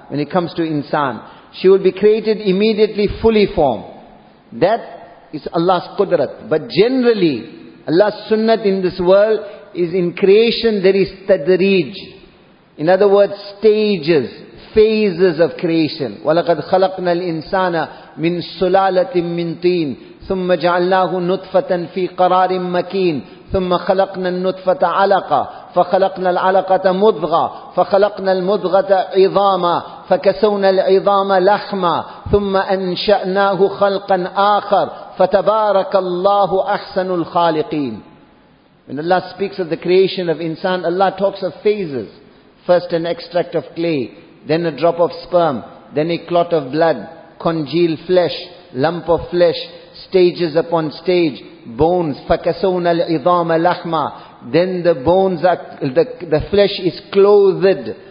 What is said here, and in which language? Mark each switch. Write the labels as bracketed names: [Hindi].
[English] When it comes to insan, she will be created immediately, fully formed. That is Allah's qudrat. But generally, Allah's sunnat in this world is in creation there is tadreej. In other words, stages, phases of creation. [Arabic] وَلَقَدْ خَلَقْنَا الْإِنسَانَ مِنْ سُلَالَةٍ مِنْ طِينٍ ثُمَّ جَعَلْنَاهُ نُطْفَةً فِي قَرَارٍ مَكِينٍ ثم خلقنا النطفة علقة فخلقنا العلقة مضغة فخلقنا المضغة عظاما فكسونا العظام لحما ثم أنشأناه خلقا آخر فتبارك الله أحسن الخالقين. [English] When Allah speaks of the creation of insan, Allah talks of phases. First an extract of clay, then a drop of sperm, then a clot of blood, congealed flesh, lump of flesh, stages upon stage, bones, [Arabic] فَكَسَوْنَا الْعِظَامَ لَحْمَا. [English] Then the bones, the flesh is clothed